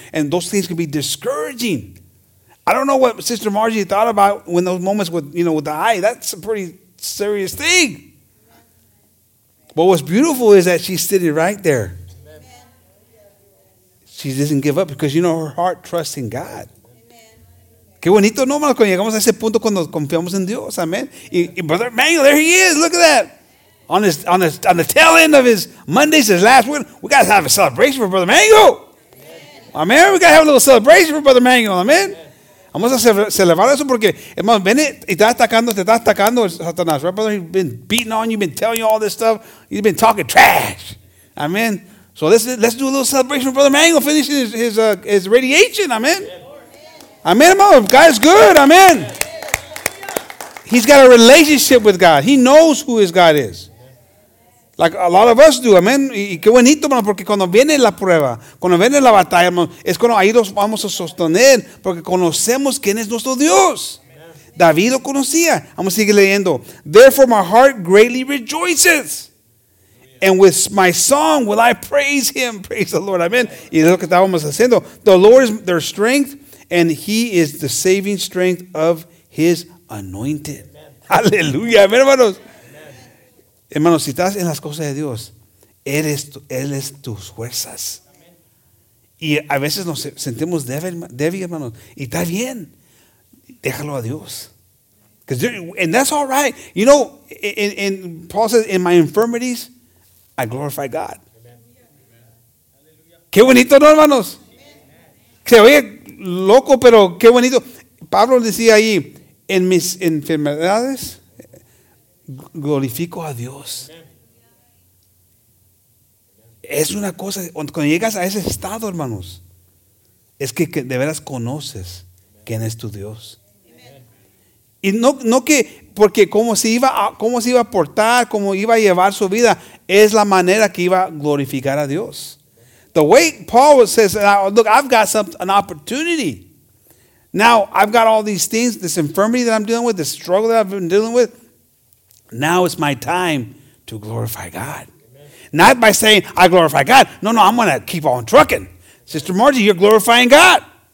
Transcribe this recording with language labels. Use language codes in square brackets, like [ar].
[en] And those things can be discouraging. I don't know what Sister Margie thought about when those moments with the eye, that's a pretty serious thing. But what's beautiful is that she's sitting right there. She doesn't give up because, you know, her heart trusts in God. [es] Qué bonito, no, hermano, cuando llegamos a ese punto cuando confiamos en Dios, amen. [en] Y Brother Manuel, there he is, look at that. On the tail end of his Mondays, his last one, we got to have a celebration for Brother Manuel. Amen. We got to have a little celebration for Brother Manuel, amen. [es] Vamos a celebrar eso porque, hermano, ven y te está atacando Satanás. [en] Right, brother? He's been beating on you, he's been telling you all this stuff. He's been talking trash. Amen. So let's do a little celebration for Brother Manuel finishing his radiation. Amen. Amen, hermano. God's good. Amen. He's got a relationship with God. He knows who his God is. Like a lot of us do, amen. [es] Y qué bonito, hermano, porque cuando viene la prueba, cuando viene la batalla, hermano, es cuando ahí nos vamos a sostener, porque conocemos quién es nuestro Dios. David lo conocía. Vamos a seguir leyendo. [en] Therefore my heart greatly rejoices, and with my song will I praise him. Praise the Lord. Amen. [es] Y es lo que estábamos haciendo. [en] The Lord is their strength, and he is the saving strength of his anointed. [es] Aleluya, hermanos. Hermanos, si estás en las cosas de Dios, Él es tus fuerzas. Y a veces nos sentimos débil, hermanos. Y está bien. Déjalo a Dios. [en] And that's all right. You know, in Paul says, in my infirmities, I glorify God. [es] Amen. Qué bonito, ¿no, hermanos? Amen. Se oye loco, pero qué bonito. Pablo decía ahí, en mis enfermedades, glorifico a Dios. Amen. Es una cosa, cuando llegas a ese estado, hermanos, es que de veras conoces quién es tu Dios. Y no que porque cómo se iba a portar, cómo iba a llevar su vida, es la manera que iba a glorificar a Dios. [en] The way Paul says, look, I've got an opportunity. Now, I've got all these things, this infirmity that I'm dealing with, this struggle that I've been dealing with. Now it's my time to glorify God. Amen. Not by saying, I glorify God. No, I'm going to keep on trucking. Sister Margie, you're glorifying God.